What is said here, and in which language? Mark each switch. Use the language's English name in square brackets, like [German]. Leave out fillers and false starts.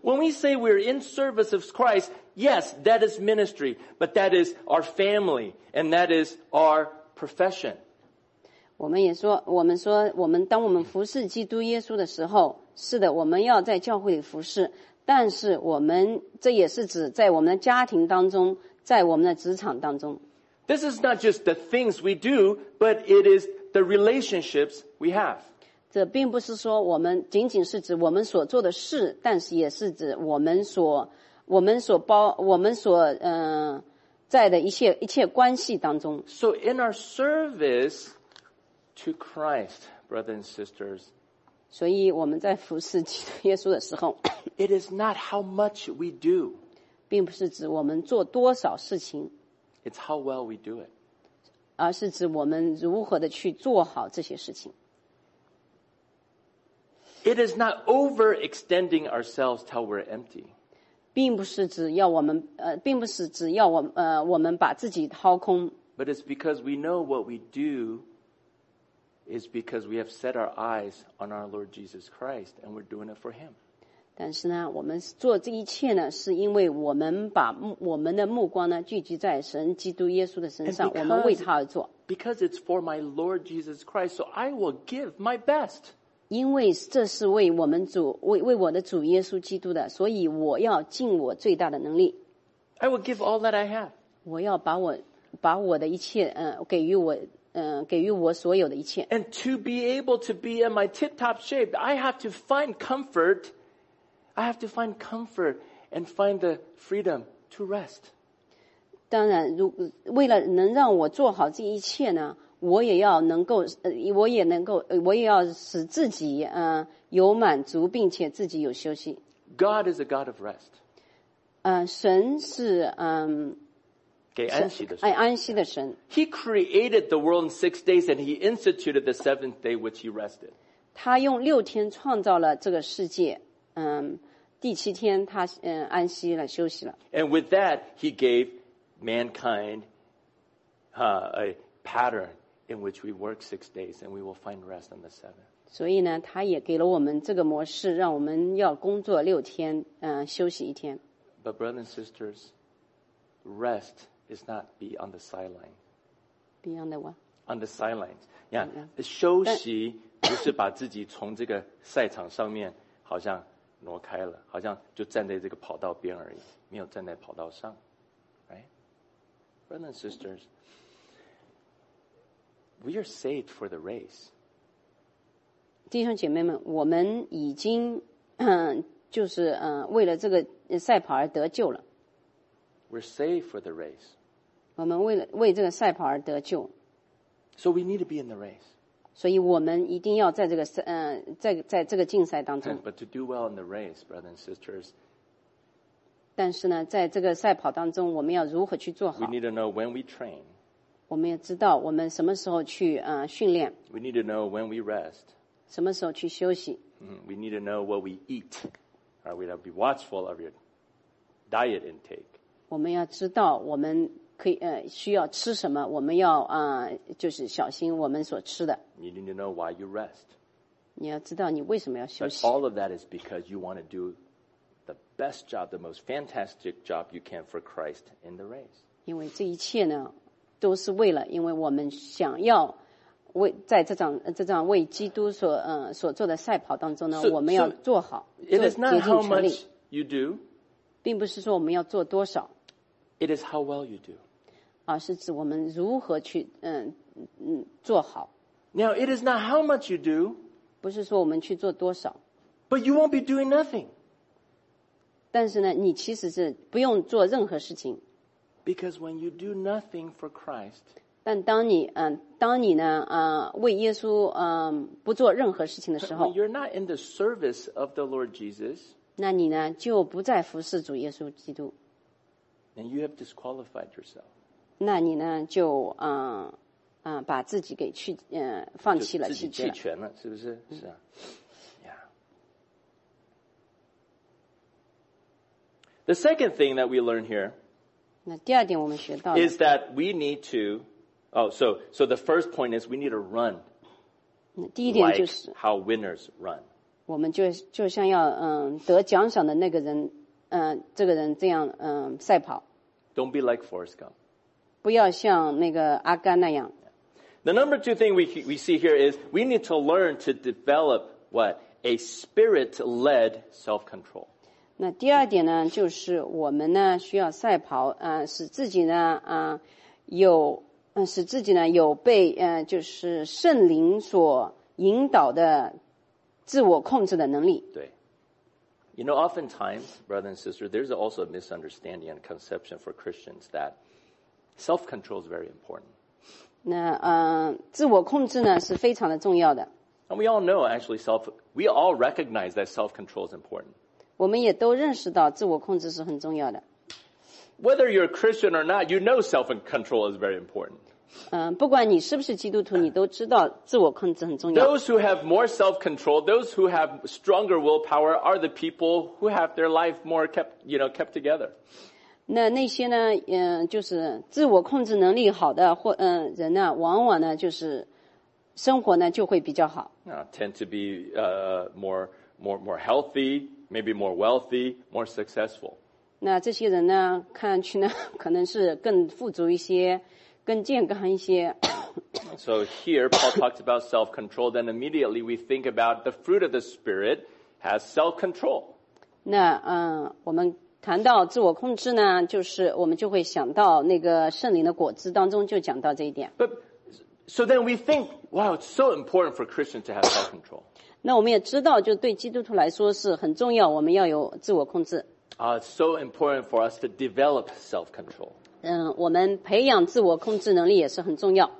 [English] When we say we're in service of Christ, yes, that is ministry, but that is our family and that is our profession. [Chinese] 我们说我们当我们服侍基督耶稣的时候，是的，我们要在教会里服侍。但是我们这也是指在我们的家庭当中，在我们的职场当中。 [English] This is not just the things we do, but it is the relationships we have. [Chinese] 这并不是说我们仅仅是指我们所做的事，但是也是指我们所在的一切关系当中。 [English] So in our service to Christ, brothers and sisters. [Chinese] 所以我们在服侍基督耶稣的时候 [English] ，It is not how much we do， [Chinese] 并不是指我们做多少事情 [English] ，It's how well we do it， [Chinese] 而是指我们如何的去做好这些事情。 [English] It is not overextending ourselves till we're empty， [Chinese] 并不是指要我们并不是指要我们把自己掏空 [English] ，But it's because we know what we do。 Is because we have set our eyes on our Lord Jesus Christ, and we're doing it for Him. [Chinese] 但是呢，我们做这一切呢，是因为我们把我们的目光呢聚集在神基督耶稣的身上，我们为他而做。 [English] Because it's for my Lord Jesus Christ, so I will give my best. [Chinese] 因为这是为我们主为我的主耶稣基督的，所以我要尽我最大的能力。 [English] I will give all that I have. [Chinese] 我要把我的一切给予我。给予我所有的一切。 [English] And to be able to be in my tip-top shape, I have to find comfort. I have to find comfort and find the freedom to rest. [Chinese] 当然，为了能让我做好这一切呢，我也要使自己有满足，并且自己有休息。 [English] God is a God of rest. [Chinese] 神是给安息的神，安息的神。 [English] He created the world in 6 days, and he instituted the seventh day, which he rested. [Chinese] 他用六天创造了这个世界，第七天他安息了，休息了。 [English] And with that, he gave mankind a pattern in which we work 6 days, and we will find rest on the seventh. [Chinese] 所以呢，他也给了我们这个模式，让我们要工作六天，休息一天。 [English] But brothers and sisters, rest. Is not be on the sideline. Be on the what? On the sidelines. Yeah, [Chinese] 休息不是把自己从这个赛场上面好像挪开了，好像就站在这个跑道边而已，没有站在跑道上 ， [English] right? Brothers and sisters, we are saved for the race. [Chinese] 弟兄姐妹们，我们已经就是为了这个赛跑而得救了。 [English] We're saved for the race. [Chinese] 我们为这个赛跑而得救。 [English] So we need to be in the race. [Chinese] 所以我们一定要在这个在这个竞赛当中。 [English] But to do well in the race, brothers and sisters. [Chinese] 但是呢，在这个赛跑当中，我们要如何去做好 [English] ？We need to know when we train. [Chinese] 我们要知道我们什么时候去训练。 [English] We need to know when we rest. [Chinese] 什么时候去休息 [English] ？We need to know what we eat. Right, we have to be watchful of your diet intake. [Chinese] 我们要知道我们可以需要吃什么，我们要就是小心我们所吃的。 [English] You need to know why you rest. [Chinese] 你要知道你为什么要休息。 [English] But all of that is because you want to do the best job, the most fantastic job you can for Christ in the race. [Chinese] 因为这一切呢，都是为了，因为我们想要为在这场为基督所做的赛跑当中呢， [English] so, [Chinese] 我们要做好。 [English] It is not how much you do. [Chinese] 并不是说我们要做多少。 [English] It is how well you do. [Chinese] 而是指我们如何去做好。 [English] Now, it is not how much you do. [Chinese] 不是说我们去做多少。 [English] But you won't be doing nothing. [Chinese] 但是呢，你其实是不用做任何事情。 [English] Because when you do nothing for Christ, [Chinese] 但当你呢为耶稣不做任何事情的时候， [English] when you're not in the service of the Lord Jesus, [Chinese] 那你呢就不再服侍主耶稣基督。 [English] And you have disqualified yourself. [Chinese] 那你呢就把自己给去放弃了，自己弃权了，是不是？是啊。 [English] The second thing that we learn here. [Chinese] 那第二点我们学到 [English] 的。Is that we need to, so the first point is we need to run. [Chinese] 那第一点就是。 [English] Like how winners run. [Chinese] 我们就像要得奖赏的那个人。这个人这样赛跑。 [English] Don't be like Forrest Gump. [Chinese] 不要像那个阿甘那样。 [English] The number two thing we see here is we need to learn to develop what? A spirit-led self-control. [Chinese] 那第二点呢就是我们呢需要赛跑使自己呢有被就是圣灵所引导的自我控制的能力。对。 [English] You know, oftentimes, brother and sister, there's also a misunderstanding and conception for Christians that self-control is very important. [Chinese] 那自我控制呢是非常的重要的。 [English] And we all know, actually, we all recognize that self-control is important. [Chinese] 我们也都认识到自我控制是很重要的。 [English] Whether you're a Christian or not, you know self-control is very important. [Chinese] 不管你是不是基督徒，你都知道自我控制很重要。 [English] Those who have more self-control, those who have stronger willpower, are the people who have their life more kept together. [Chinese] 那些呢，就是自我控制能力好的或人呢，往往呢就是生活呢就会比较好。 [English] Tend to be more healthy, maybe more wealthy, more successful. [Chinese] 那这些人呢，看上去呢，可能是更富足一些。更健康一些。 [English] So here Paul talks about self-control, then immediately we think about the fruit of the Spirit has self-control. [Chinese] 那我们谈到自我控制呢，就是我们就会想到那个圣灵的果子当中就讲到这一点。 [English] But so then we think, wow, it's so important for Christians to have self-control. [Chinese] 那我们也知道，就对基督徒来说是很重要，我们要有自我控制。 [English] It's so important for us to develop self-control. [Chinese] 我们培养自我控制能力也是很重要。